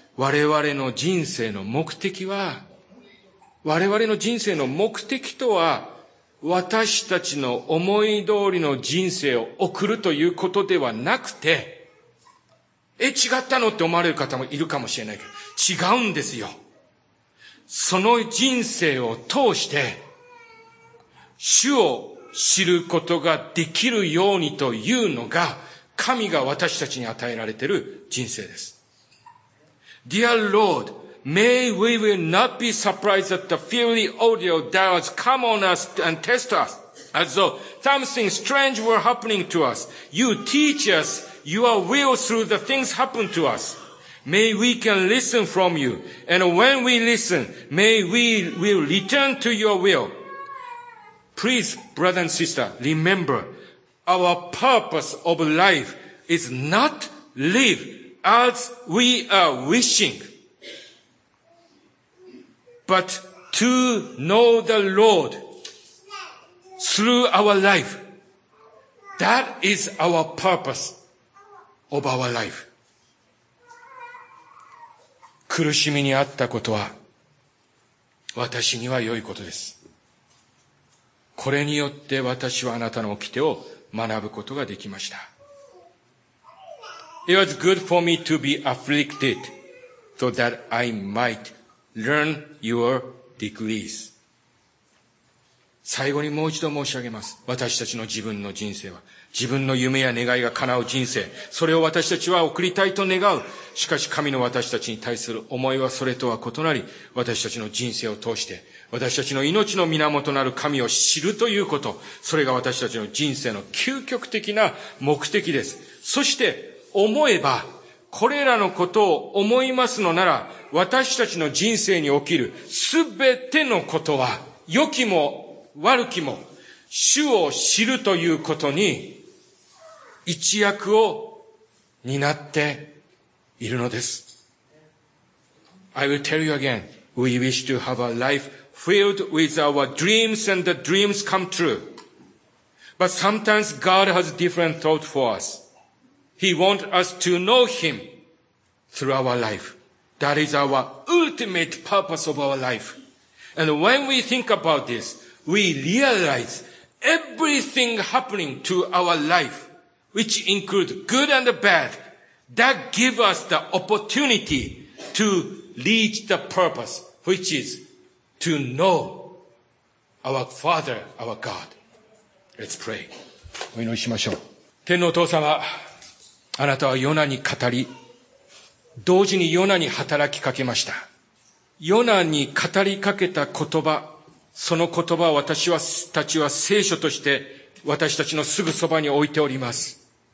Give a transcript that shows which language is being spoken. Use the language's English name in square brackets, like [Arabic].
[Japanese] 我々の人生の目的は、我々の人生の目的とは、私たちの思い通りの人生を送るということではなくて、違ったのって思われる方もいるかもしれないけど、違うんですよ。その人生を通して主を知ることができるようにというのが神が私たちに与えられている人生です。 [English] Dear Lord, may we will not be surprised at the fiery ordeal that has come on us and test us, as though something strange were happening to us. You teach us your will through the things happen to us. May we can listen from you, and when we listen, may we will return to your will. Please, brother and sister, remember, our purpose of life is not live as we are wishing, but to know the Lord through our life. That is our purpose of our life. [Japanese] 苦しみにあったことは私には良いことです。これによって私はあなたの掟を学ぶことができました。 [English] It was good for me to be afflicted so that I might learn your decrees. [Japanese] 最後にもう一度申し上げます。私たちの自分の人生は自分の夢や願いが叶う人生、それを私たちは送りたいと願う。しかし神の私たちに対する思いはそれとは異なり、私たちの人生を通して私たちの命の源なる神を知るということ、それが私たちの人生の究極的な目的です。そして思えば、これらのことを思いますのなら、私たちの人生に起きるすべてのことは、良きも悪きも主を知るということに一役を担っているのです。 [English] I will tell you again, we wish to have a life filled with our dreams and the dreams come true. But sometimes God has different thoughts for us. He wants us to know Him through our life. That is our ultimate purpose of our life. And when we think about this, we realize everything happening to our life, which include good and bad, that give us the opportunity to reach the purpose, which is to know our Father, our God. Let's pray. [Japanese] お祈りしましょう。天のお父様、あなたはヨナに語り、同時にヨナに働きかけました。ヨナに語りかけた言葉、その言葉を私たちは聖書として私たちのすぐそばに置いております。